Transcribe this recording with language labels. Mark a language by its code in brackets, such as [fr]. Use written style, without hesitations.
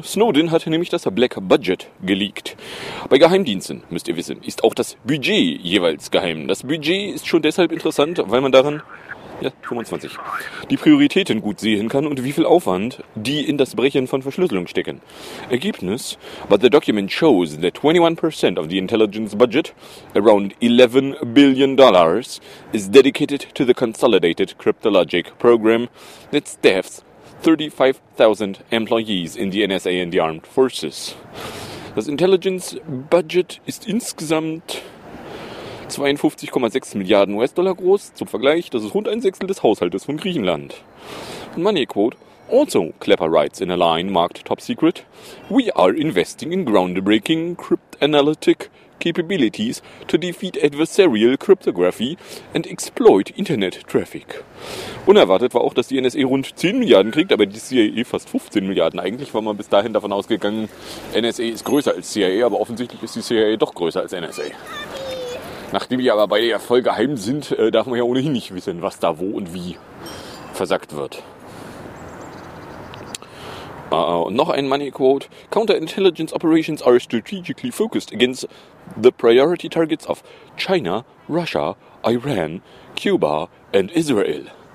[de] Snowden hat nämlich das Black Budget geleakt. Bei Geheimdiensten, müsst ihr wissen, ist auch das Budget jeweils geheim. Das Budget ist schon deshalb interessant, weil man daran, ja, 25, die Prioritäten gut sehen kann und wie viel Aufwand die in das Brechen von Verschlüsselung stecken. [en] Ergebnis, but the document shows that 21% of the intelligence budget, around $11 billion, is dedicated to the consolidated cryptologic program that staffs 35,000 employees in the NSA and the armed forces. [de] Das intelligence budget ist insgesamt 52,6 Milliarden US-Dollar groß. Zum Vergleich, das ist rund 1/6 des Haushaltes von Griechenland. [en] Money quote, also Clapper writes in a line marked top secret, we are investing in groundbreaking cryptanalytic capabilities to defeat adversarial cryptography and exploit internet traffic. [de] Unerwartet war auch, dass die NSA rund 10 Milliarden kriegt, aber die CIA fast 15 Milliarden. Eigentlich war man bis dahin davon ausgegangen, NSA ist größer als CIA, aber offensichtlich ist die CIA doch größer als NSA. Nachdem die aber beide ja voll geheim sind, darf man ja ohnehin nicht wissen, was da wo und wie versagt wird. Und noch ein Money Quote. [en] Counterintelligence operations are strategically focused against the priority targets of China, Russia, Iran, Cuba and Israel.